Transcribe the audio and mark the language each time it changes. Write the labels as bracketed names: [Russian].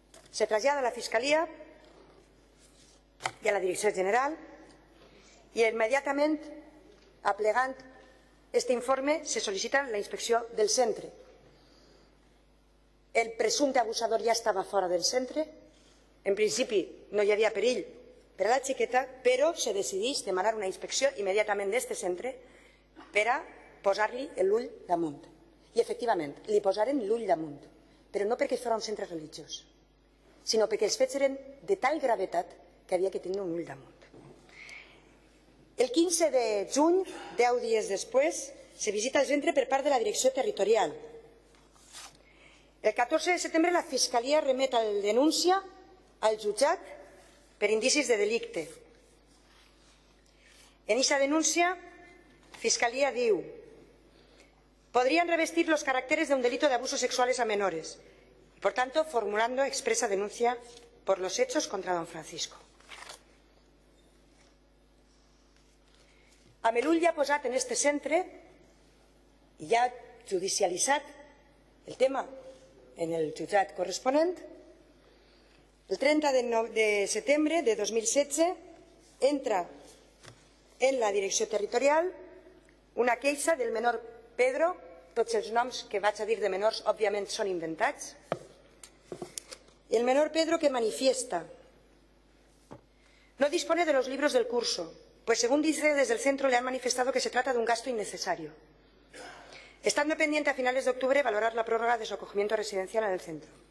[Spanish] Se traslada a la Fiscalía y a la Dirección General y inmediatamente, aplegant este informe, se solicita la inspección del centro. El presunto abusador ya estaba fuera del centro. En principio no había perill para la chiqueta, pero se decidís demanar una inspección inmediatamente de este centro para [Catalan] posarle el ull damunt. [Spanish] Y efectivamente, le posaren el ull damunt, pero no porque fuera un centro religioso, [Catalan] sinó perquè els fets eren de tal gravetat que havia que tenir un ull damunt. El 15 de juny, 10 dies després, se visita el centre per part de la direcció territorial. El 14 de setembre la Fiscalia remet la denúncia al jutjat per indicis de delicte. En aquesta denúncia, Fiscalia diu «Podrien revestir els caràcters d'un delito d'abusos sexuals a menors». [Spanish] Por tanto, formulando expresa denuncia por los hechos contra don Francisco. [Catalan] Amb el ull ja posat en este centre i ja judicialitzat el tema en el jutjat corresponent, el 30 de setembre de 2016 entra en la direcció territorial una queixa del menor Pedro, tots els noms que vaig a dir de menors òbviament són inventats. [Spanish] El menor Pedro que manifiesta, no dispone de los libros del curso, Pues según dice, desde el centro le han manifestado que se trata de un gasto innecesario. Estando pendiente a finales de octubre valorar la prórroga de su acogimiento residencial en el centro.